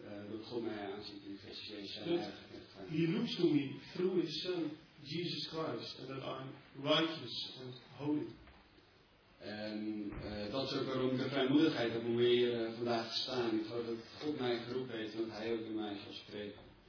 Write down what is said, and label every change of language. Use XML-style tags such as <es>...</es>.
<nl>dat God mij aanziet in Christus Jezus zijn heiligheid en rechtvaardigheid.</nl> <en>He looks to me through his son, Jesus Christ, and that I'm righteous and holy.</en> <nl>En dat is ook waarom ik de vrijmoedigheid heb om hier vandaag te staan. Ik geloof dat God mij geroepen heeft en dat Hij ook in mij zal spreken.</nl>